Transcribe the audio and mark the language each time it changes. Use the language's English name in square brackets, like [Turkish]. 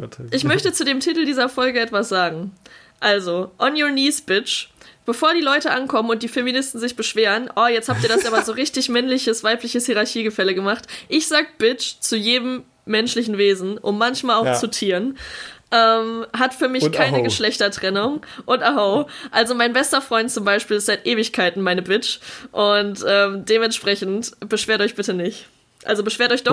[German] Ich möchte zu dem Titel dieser Folge etwas sagen. Also, [English] on your knees, bitch. [German] Bevor die Leute ankommen und die Feministen sich beschweren, oh, jetzt habt ihr das aber so richtig männliches, weibliches Hierarchiegefälle gemacht. Ich sag Bitch zu jedem menschlichen Wesen und manchmal auch zu Tieren. Hat für mich und keine Geschlechtertrennung. Und aho. Also mein bester Freund zum Beispiel ist seit Ewigkeiten meine Bitch. Und dementsprechend beschwert euch bitte nicht. Also beschwert euch doch,